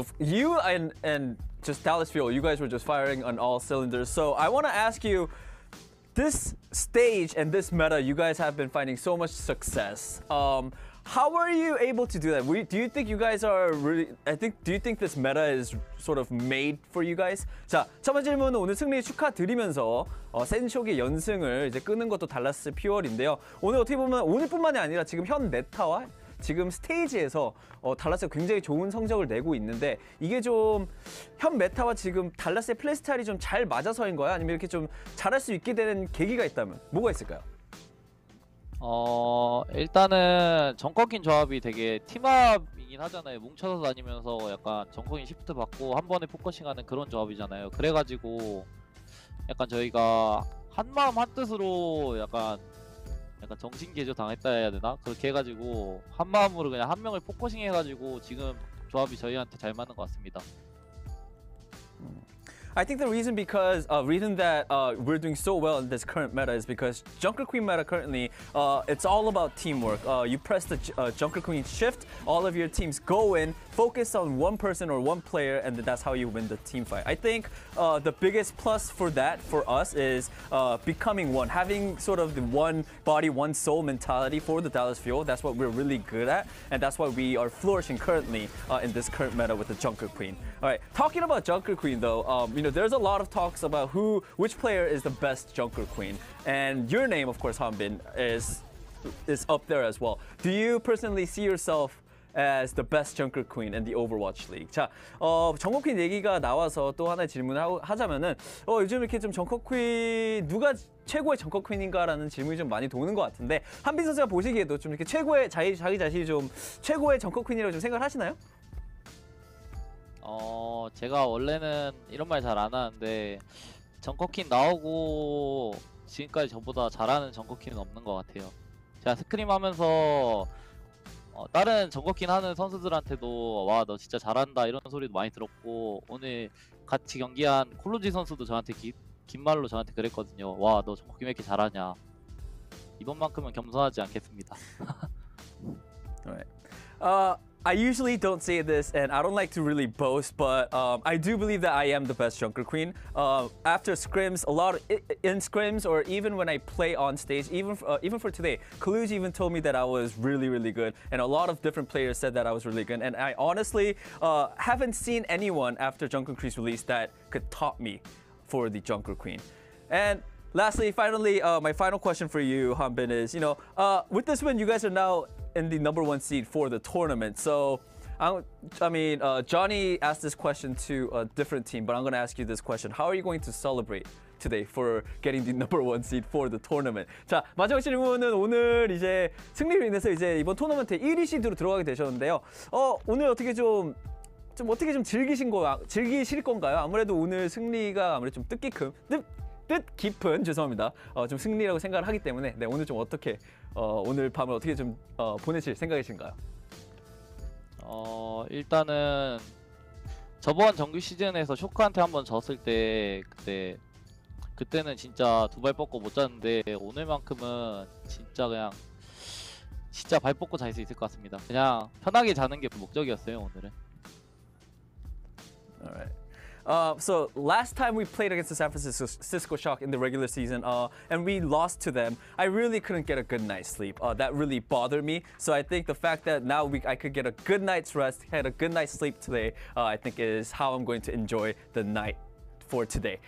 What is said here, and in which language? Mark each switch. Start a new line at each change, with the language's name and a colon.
English: You and just Dallas Fuel, you guys were just firing on all cylinders. So I want to ask you, this stage and this meta, you guys have been finding so much success. How are you able to do that? Do you think you guys are really? Do you think this meta is sort of made for you guys?
Korean: 자, 첫 번째 질문은 오늘 승리 축하드리면서 센쇼기 연승을 이제 끄는 것도 달라스 퓨얼인데요. 오늘 어떻게 보면 오늘뿐만이 아니라 지금 현 메타와 지금 스테이지에서 달라스가 굉장히 좋은 성적을 내고 있는데 이게 좀 현 메타와 지금 달라스의 플레이스타일이 좀 잘 맞아서인 거야? 아니면 이렇게 좀 잘할 수 있게 되는 계기가 있다면 뭐가 있을까요? 일단은 정꺾인 조합이 되게 팀합이긴 하잖아요. 뭉쳐서 다니면서 약간 정꺾인 시프트 받고 한 번에 포커싱 하는 그런 조합이잖아요. 그래가지고 약간 저희가 한 마음 한 뜻으로 약간 정신개조 당했다 해야 되나? 그렇게 해가지고 한 마음으로 그냥 한 명을 포커싱 해가지고 지금 조합이 저희한테 잘 맞는 것 같습니다.
English: I think the reason because reason that we're doing so well in this current meta is because Junker Queen meta currently it's all about teamwork. You press the Junker Queen shift, all of your teams go in, focus on one person or one player, and that's how you win the team fight. I think the biggest plus for that for us is becoming one, having sort of the one body, one soul mentality for the Dallas Fuel. That's what we're really good at, and that's why we are flourishing currently in this current meta with the Junker Queen. All right, talking about Junker Queen though. You know, there's a lot of talks about which player is the best Junker Queen. And your name, of course, Hanbin, is up there as well. Do you personally see yourself as the best Junker Queen in the Overwatch League?
Korean: 자, 정커 퀸 얘기가 나와서 또 하나의 질문을 하자면은 요즘 이렇게 좀 정커 퀸 누가 최고의 정커 퀸인가라는 질문이 좀 많이 도는 것 같은데 한빈 선수가 보시기에도 좀 이렇게 최고의 자기 자신이 좀 최고의 정커 퀸이라고 좀 생각을 하시나요? 제가 원래는 이런 말 잘 안 하는데 정커퀸 나오고 지금까지 저보다 잘하는 정커퀸은 없는 것 같아요. 제가 스크림 하면서 다른 정커퀸 하는 선수들한테도 와 너 진짜 잘한다 이런 소리도 많이 들었고 오늘 같이 경기한 콜로지 선수도 저한테 긴 말로 저한테 그랬거든요. 와 너 정커퀸 왜 이렇게 잘하냐. 이번만큼은 겸손하지 않겠습니다.
English: I usually don't say this, and I don't like to really boast, but I do believe that I am the best Junker Queen. After scrims, a lot of, in scrims, or even when I play on stage, even for today, Kaluji even told me that I was really, really good, and a lot of different players said that I was really good, and I honestly haven't seen anyone after Junker Queen's release that could top me for the Junker Queen. And lastly, finally, my final question for you, Hanbin, is, you know, with this win, you guys are now in the number one seed for the tournament. So, Johnny asked this question to a different team, but I'm gonna ask you this question. How are you going to celebrate today for getting the number one seed for the tournament?
Korean: 자, 마지막 질문은 오늘 이제 승리로 인해서 이제 이번 토너먼트 1위 시드로 들어가게 되셨는데요. 오늘 어떻게 좀 즐기실 건가요? 아무래도 오늘 승리가 아무래도 좀 뜻깊은, 죄송합니다. 좀 승리라고 생각을 하기 때문에 네, 오늘 좀 어떻게 오늘 밤을 어떻게 좀 보내실 생각이신가요? 일단은 저번 정규 시즌에서 쇼크한테 한번 졌을 때 그때는 진짜 두 발 뻗고 못 잤는데 오늘만큼은 진짜 발 뻗고 잘 수 있을 것 같습니다. 그냥 편하게 자는 게 목적이었어요, 오늘은.
English: Alright. So last time we played against the SanFranciscoShock in the regular season and we lost to them, I really couldn't get a good night's sleep. That really bothered me. So I think the fact that now I could get a good night's rest, had a good night's sleep today, I think is how I'm going to enjoy the night for today.